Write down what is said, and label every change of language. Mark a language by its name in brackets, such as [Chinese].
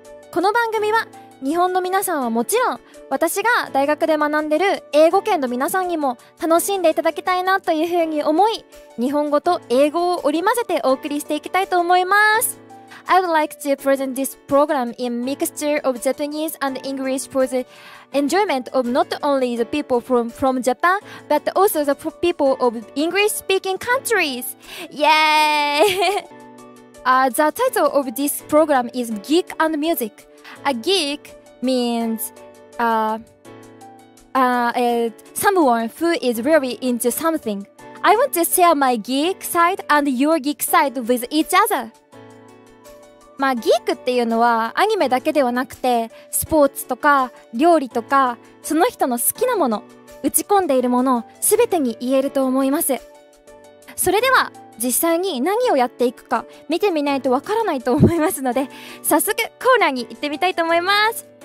[Japanese] この番組は日本の皆さんはもちろん、私が大学で学んでる英語圏の皆さんにも楽しんでいただきたいなというふうに思い、日本語と英語を織り交ぜてお送りしていきたいと思います。 [English] I would like to present this program in mixture of Japanese and English for the enjoyment of not only the people from Japan but also the people of English speaking countries. Yay! The title of this program is Geek and Music. A geek means someone who is really into something. I want to share my geek side and your geek side with each other. [Japanese] まあ、ギークっていうのはアニメだけではなくて、スポーツとか料理とか、その人の好きなもの、打ち込んでいるもの、すべてに言えると思います。それでは実際に何をやっていくか見てみないとわからないと思いますので、早速コーナーに行ってみたいと思います。